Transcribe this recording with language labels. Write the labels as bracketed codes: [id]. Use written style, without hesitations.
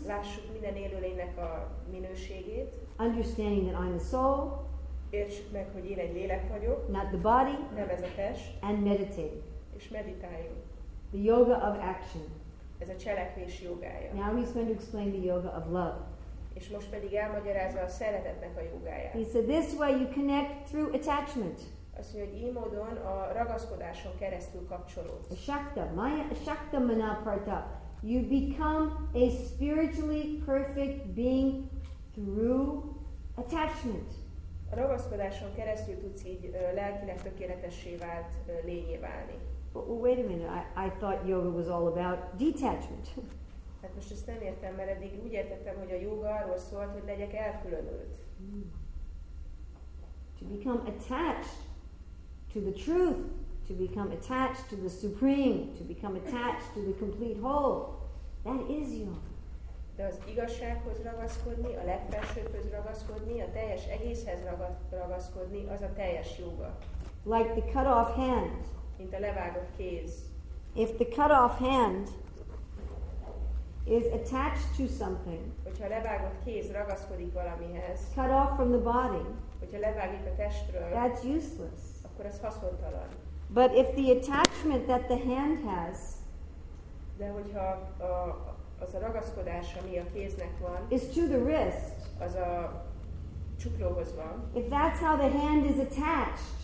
[hu] Lássuk minden élőlénynek a minőségét. [en] Understanding that I'm a soul. [hu] Értsük meg, hogy én egy lélek vagyok. [en] Not the body. [hu] Nem ez a test. [en] And meditate. [hu] És meditáljunk. [en] The yoga of action. [hu] Ez a cselekvés jogája. [en] Now he's going to explain the yoga of love. [hu] És most pedig elmagyarázza a szeretetnek a jogáját. [en] He said, this way you connect through attachment. [hu] Azt mondja, hogy így módon a ragaszkodáson keresztül kapcsolódsz. Shakta, Maya, Shakta Manaparta. [en] You become a spiritually perfect being through attachment. [hu] A ragaszkodáson keresztül tudsz így lelkileg tökéletessé vált lényé válni. [en] Well, wait a minute, I thought yoga was all about detachment. [hu] Hát most ezt nem értem, mert eddig úgy értettem, hogy a yoga arról szólt, hogy legyek elkülönült. [en] To become attached to the truth, to become attached to the supreme, to become attached to the complete whole. That is yoga. [hu] De az igazsághoz ragaszkodni, a legfelsőbbhöz ragaszkodni, a teljes egészhez ragaszkodni, az a teljes yoga. [en] Like the cut off hand. [hu] Mint a levágott kéz. [en] If the cut off hand is attached to something, [hu] hogyha a levágott kéz ragaszkodik valamihez, [en] cut off from the body, [hu] hogyha levágik a testről, [en] that's useless. [hu] Akkor ez haszontalan. [en] But if the attachment that the hand has, [hu] de hogyha az a ragaszkodás, ami a kéznek van, [en] is to the wrist, [hu] az a csuklóhoz van, [en] if that's how the hand is attached,